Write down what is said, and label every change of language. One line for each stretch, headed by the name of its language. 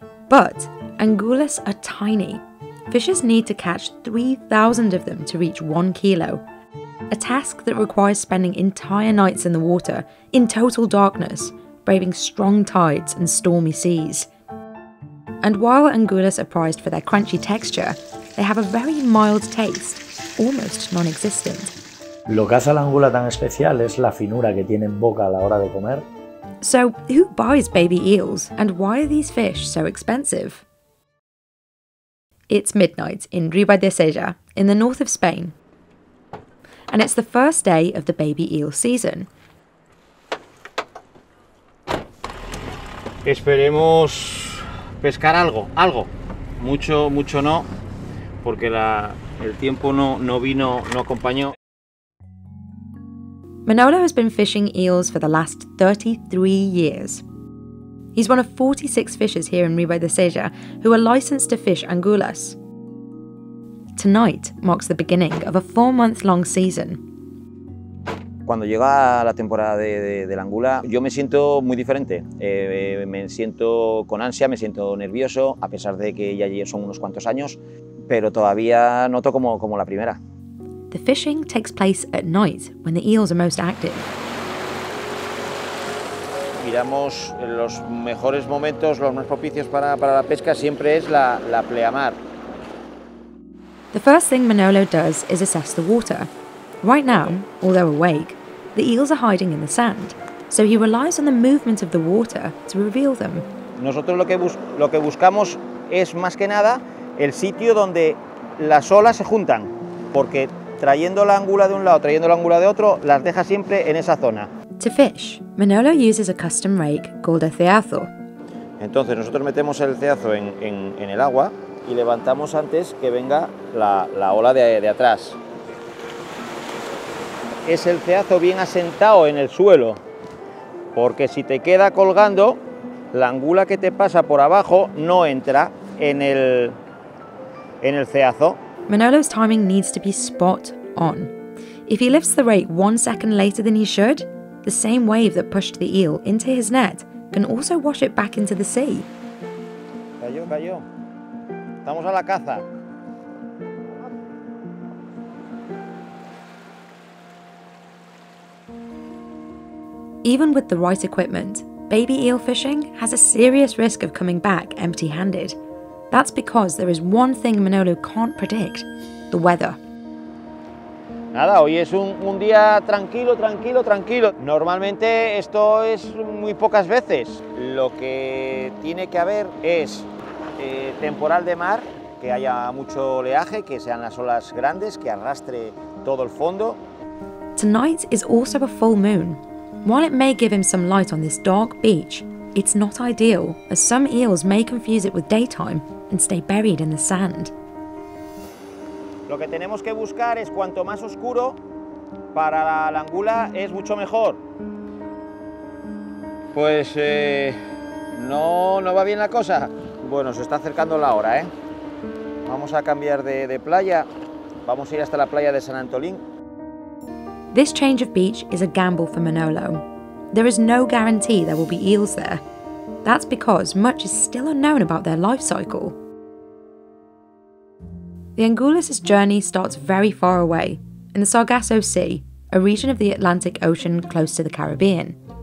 English: But angulas are tiny. Fishers need to catch 3,000 of them to reach 1 kilo, a task that requires spending entire nights in the water, in total darkness, braving strong tides and stormy seas. And while angulas are prized for their crunchy texture, they have a very mild taste, almost non-existent.
Spanish: Lo que hace a la angula tan especial es la finura que tiene en boca a la hora de comer.
English: So, who buys baby eels and why are these fish so expensive? It's midnight in Ribas de Seja, in the north of Spain. And it's the first day of the baby eel season.
Spanish: Esperemos pescar algo, algo. Mucho, mucho no, porque el tiempo no vino, no acompañó.
English: Manolo has been fishing eels for the last 33 years. He's one of 46 fishers here in Ribas de Seja who are licensed to fish angulas. Tonight marks the beginning of a 4-month-long season.
Spanish: Cuando llega la temporada de la angula, yo me siento muy diferente. Me siento con ansia, me siento nervioso, a pesar de que ya son unos cuantos años, pero todavía noto como la primera.
English: The fishing takes place at night, when the eels are most active.
Spanish: Miramos los mejores momentos, los más propicios para la pesca, siempre es la pleamar.
English: The first thing Manolo does is assess the water. Right now, although awake, the eels are hiding in the sand, so he relies on the movement of the water to reveal them.
Spanish: Nosotros lo que buscamos es más que nada el sitio donde las olas se juntan, porque trayendo la angula de un lado, trayendo la angula de otro, las deja siempre en esa zona.
English: To fish, Manolo uses a custom rake called a ceazo.
Spanish: Entonces nosotros metemos el ceazo en el agua y levantamos antes que venga la ola de atrás. Es el ceazo bien asentado en el suelo, porque si te queda colgando, la angula que te pasa por abajo no entra en el ceazo.
English: Manolo's timing needs to be spot on. If he lifts the rake 1 second later than he should, the same wave that pushed the eel into his net can also wash it back into the sea.
Spanish: Cayó. Estamos a la caza.
English: Even with the right equipment, baby eel fishing has a serious risk of coming back empty-handed. That's because there is one thing Manolo can't predict, the weather.
Spanish: Nada, hoy es un día tranquilo. Normalmente esto es muy pocas veces. Lo que tiene que haber es temporal de mar, que haya mucho oleaje, que sean las olas grandes, que arrastre todo el fondo.
English: Tonight is also a full moon. While it may give him some light on this dark beach, it's not ideal, as some eels may confuse it with daytime and stay buried in the sand.
Spanish: Lo que tenemos que buscar es cuanto más oscuro, para la angula es mucho mejor. Pues no va bien la cosa. Bueno, se está acercando la hora, ¿eh? Vamos a cambiar de playa. Vamos a ir hasta la playa de San Antolín.
English: This change of beach is a gamble for Manolo. There is no guarantee there will be eels there. That's because much is still unknown about their life cycle. The angulas' journey starts very far away, in the Sargasso Sea, a region of the Atlantic Ocean close to the Caribbean.